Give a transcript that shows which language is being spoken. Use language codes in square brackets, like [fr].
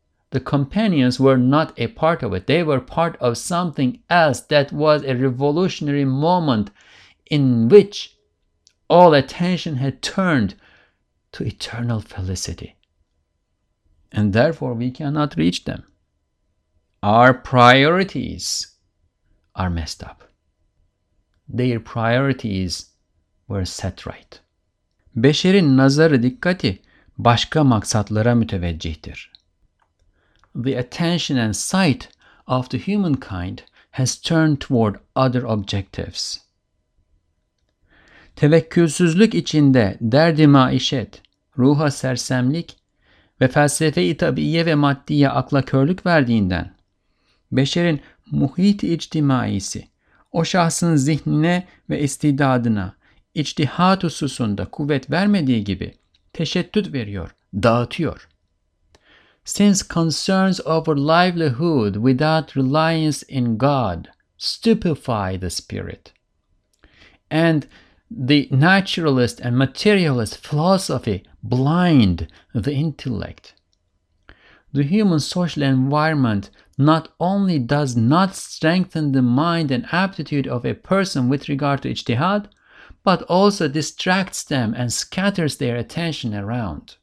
[en] The companions were not a part of it. They were part of something else that was a revolutionary moment in which all attention had turned to eternal felicity. And therefore, we cannot reach them. Our priorities are messed up. Their priorities were set right. [tr] Beşerin nazarı dikkati başka maksatlara müteveccihtir. [en] The attention and sight of the humankind has turned toward other objectives. [tr] Tevekkülsüzlük içinde derdi maişet, ruha sersemlik ve felsefe-i tabiiye ve maddiye akla körlük verdiğinden, beşerin muhit-i içtimaisi, o şahsın zihnine ve istidadına, içtihat hususunda kuvvet vermediği gibi teşettüt veriyor, dağıtıyor. [en] Since concerns over livelihood without reliance in God stupefy the spirit, and the naturalist and materialist philosophy blind the intellect, the human social environment not only does not strengthen the mind and aptitude of a person with regard to ijtihad, but also distracts them and scatters their attention around.